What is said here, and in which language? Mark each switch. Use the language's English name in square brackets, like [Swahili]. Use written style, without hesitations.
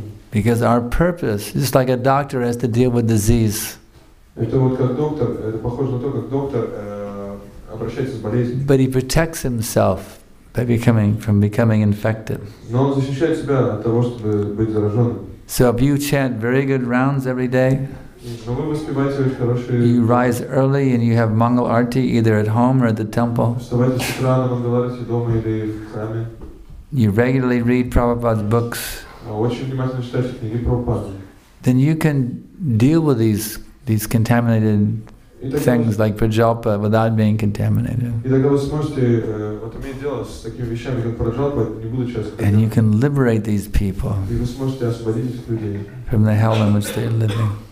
[English] Because our purpose, just like a doctor has to deal with disease. [Russian] Это вот как доктор, это похоже на то, как доктор обращается с болезнью. [English] But he protects himself by becoming infected. [Russian] Но он защищает себя от того, чтобы быть зараженным. [English] So if you chant very good rounds every day, you rise early and you have Mangal Arti either at home or at the temple. [Russian] Вставайте с утра на Мангал Арти дома или в храме. [English] You regularly read Prabhupada's books. [Russian] Очень внимательно читайте книги Прабхупады. [English] Then you can deal with these contaminated things like prajalpa without being contaminated. And you can liberate these people from the hell in which they're living.